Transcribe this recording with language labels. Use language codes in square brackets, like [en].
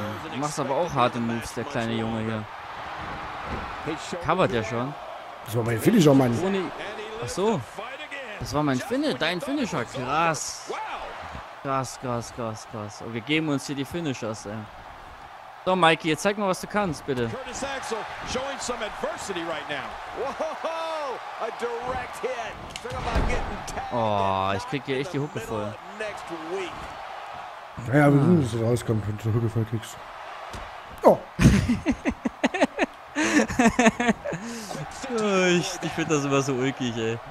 [de] Du machst aber auch harte Moves, der kleine Junge hier. Covert ja schon. Das war mein Finisher, Mann. Ohne... Ach so. Das war mein dein Finisher. Krass. Krass. Oh, wir geben uns hier die Finishers, ey. So, Mikey, jetzt zeig mal, was du kannst, bitte. [en] Curtis Axel showing some adversity right now. Whoa, a direct hit. [de] Oh, ich krieg hier echt die Hucke voll. Naja, wir müssen es rauskommen, wenn du die Hucke voll kriegst. Oh! ich find das immer so ulkig, ey.